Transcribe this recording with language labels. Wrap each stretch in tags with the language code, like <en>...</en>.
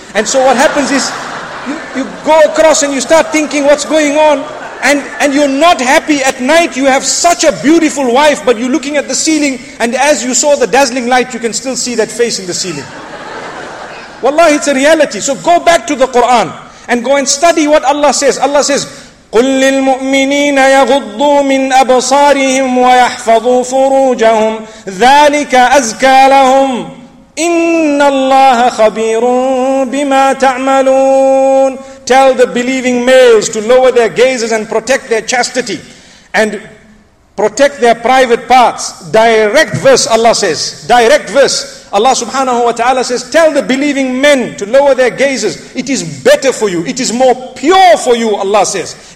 <en>And so what happens is, you go across and you start thinking what's going on. And you're not happy. At night you have such a beautiful wife, but you're looking at the ceiling. And as you saw the dazzling light, you can still see that face in the ceiling. Wallahi, it's a reality. So go back to the Quran. and go and study what Allah says. Allah says,</en> <ar>قُلْ لِلْمُؤْمِنِينَ يَغُضُّوا مِنْ أَبْصَارِهِمْ وَيَحْفَظُوا فُرُوجَهُمْ ذَلِكَ أَزْكَى لَهُمْ إِنَّ اللَّهَ خَبِيرٌ بِمَا تَعْمَلُونَ.</ar> <en>Tell the believing males to lower their gazes and protect their chastity and protect their private parts. Direct verse, Allah says. Direct verse. Allah subhanahu wa ta'ala says, tell the believing men to lower their gazes. It is better for you. It is more pure for you, Allah says.</en>